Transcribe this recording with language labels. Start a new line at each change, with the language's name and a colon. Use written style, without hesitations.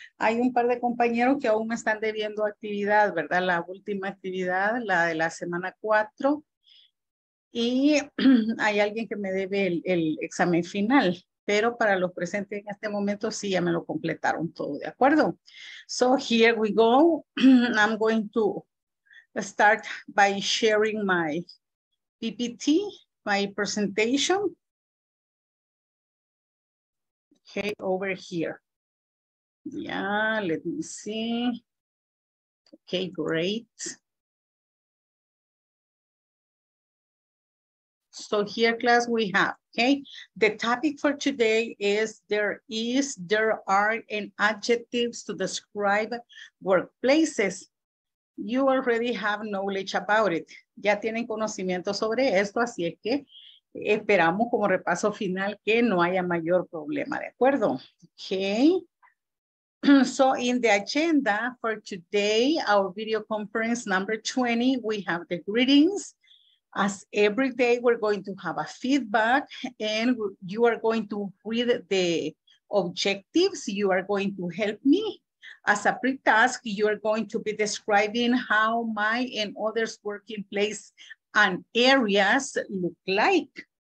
Spanish: Hay un par de compañeros que aún me están debiendo actividad, ¿verdad? La última actividad, la de la semana 4. Y hay alguien que me debe el examen final. Pero para los presentes en este momento, sí, ya me lo completaron todo, ¿de acuerdo?
English: So here we go. I'm going to start by sharing my PPT, my presentation. Okay, over here. Yeah, let me see. Okay, great. So here, class, we have, okay, the topic for today is there are and adjectives to describe workplaces. You already have knowledge about it.
Spanish: Ya tienen conocimiento sobre esto, así es que esperamos como repaso final que no haya mayor problema, ¿de acuerdo?
English: Okay. So in the agenda for today, our video conference number 20, we have the greetings. As every day, we're going to have a feedback and you are going to read the objectives. You are going to help me. As a pre-task, you are going to be describing how my and others' working place and areas look like.